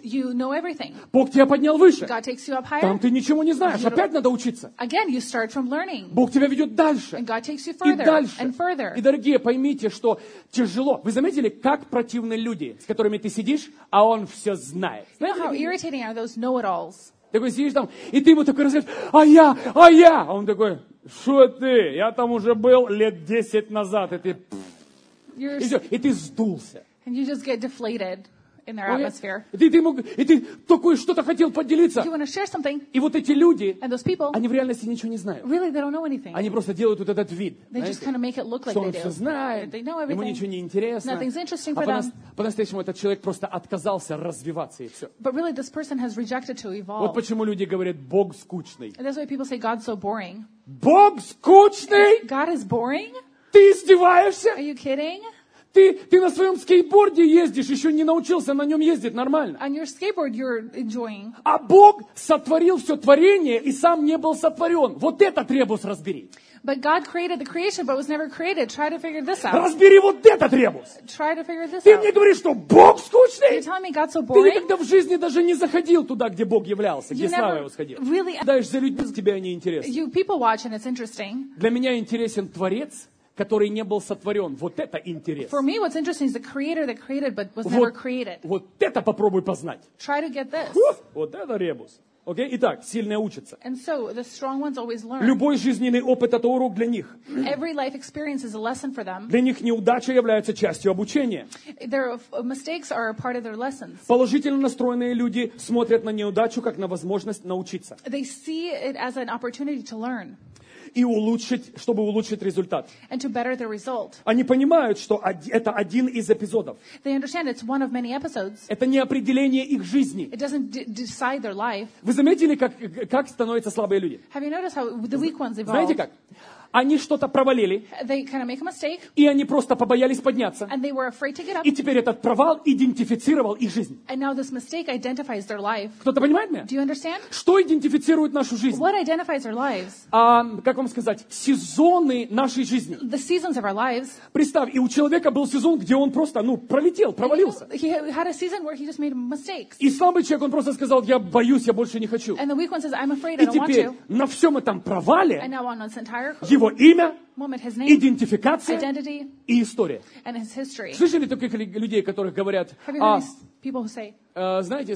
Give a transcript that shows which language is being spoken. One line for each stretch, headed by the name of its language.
English: You know everything.
Russian: Бог тебя поднял выше.
English: God takes you up higher.
Russian: Там ты ничего не знаешь. Опять надо учиться.
English: Again, you start from learning.
Russian: Бог тебя ведет дальше.
English: And God takes you further.
Russian: И дальше.
English: And further.
Russian: И, дорогие, поймите, что тяжело. Вы заметили, как противны люди, с которыми ты сидишь, а он все знает?
English: You know how irritating are those know-it-alls?
Russian: Такой сидишь там, и ты ему такой рассказываешь, а я! А он такой, что ты? Я там уже был лет 10 назад, и ты... И ты сдулся.
English: And you just get deflated in their atmosphere.
Russian: И ты такой что-то хотел поделиться.
English: You want to share something.
Russian: И вот эти люди,
English: and those people,
Russian: они в реальности ничего не знают.
English: Really, they don't know anything.
Russian: Они просто делают вот этот вид.
English: They just kind of make it look like they do.
Russian: Что он все знает.
English: They know everything.
Russian: Ему ничего не интересно.
English: Nothing's interesting for them.
Russian: По-настоящему этот человек просто отказался развиваться и все.
English: But really, this person has rejected to evolve.
Russian: Вот почему люди говорят, Бог скучный.
English: And that's why people say God's so boring.
Russian: Бог скучный?
English: God is boring?
Russian: Ты издеваешься?
English: Are you kidding?
Russian: Ты на своем скейтборде ездишь, еще не научился на нем ездить нормально.
English: On your skateboard you're enjoying.
Russian: А Бог сотворил все творение и сам не был сотворен. Вот этот ребус разбери.
English: But God created the creation, but was never created. Try to figure this out.
Russian: Разбери вот этот ребус.
English: Try to figure this
Russian: ты
English: out.
Russian: Мне говоришь, что Бог скучный?
English: You're telling me God's so boring?
Russian: Ты никогда в жизни даже не заходил туда, где Бог являлся, где слава его сходила.
English: Really...
Russian: Даешь за людьми, тебе они интересны.
English: You people watch and it's interesting.
Russian: Для меня интересен Творец, который не был сотворен. Вот это интересно.
English: For me, what's interesting is the creator that created but was never created.
Russian: Вот это попробуй познать.
English: Try to get this.
Russian: Вот это ребус.
English: Okay?
Russian: Итак, сильные учатся.
English: And so, the strong ones always learn.
Russian: Любой жизненный опыт — это урок для них.
English: Every life experience is a lesson for them.
Russian: Для них неудача является частью обучения.
English: Their mistakes are a part of their lessons.
Russian: Положительно настроенные люди смотрят на неудачу как на возможность научиться.
English: They see it as an opportunity to learn.
Russian: И улучшить, чтобы улучшить результат.
English: And to better the result.
Russian: Они понимают, что это один из эпизодов.
English: They understand it's one of many episodes.
Russian: Это не определение их жизни.
English: It doesn't decide their life.
Russian: Вы заметили, как становятся слабые люди?
English: Have you noticed how the weak ones evolve?
Russian: Знаете как? Они что-то провалили.
English: They kind of make a mistake,
Russian: и они просто побоялись подняться.
English: And they were afraid to get up.
Russian: И теперь этот провал идентифицировал их жизнь.
English: And now this mistake identifies their life.
Russian: Кто-то понимает меня?
English: Do you understand?
Russian: Что идентифицирует нашу жизнь?
English: What identifies our lives?
Russian: Как вам сказать? Сезоны нашей жизни.
English: The seasons of our lives.
Russian: Представь, и у человека был сезон, где он просто, ну, пролетел, провалился.
English: He had a season where he just made mistakes.
Russian: И слабый человек, он просто сказал, я боюсь, я больше не хочу.
English: And the weak one says, I'm afraid,
Russian: и теперь
English: I don't want to.
Russian: На всем этом провале...
English: And now on this entire...
Russian: Его имя,
English: moment, name,
Russian: идентификация
English: identity,
Russian: и история.
English: And his history.
Russian: Слышали таких людей, которых говорят, знаете,